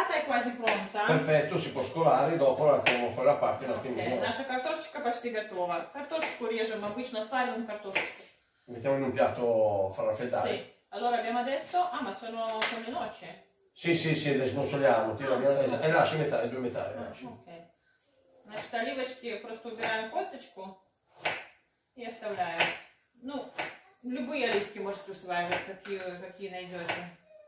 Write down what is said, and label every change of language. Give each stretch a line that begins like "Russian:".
Italian: Perfetto, si può scolare, dopo la tengo fuori la parte un attimo.
Russian: Ok, наша картошечка почти готова. Картошечку режем обычно, фаренную картошечку.
Italian: Mettiamo in un piatto far raffreddare. Sì, allora abbiamo detto, ah ma sono come noce. Sì, le smussoliamo, e lasci metà, le due metà. Ok.
Russian: Значит, оливочки, просто убираем косточку и оставляем. Ну, любые оливки можете усваивать, какие найдете.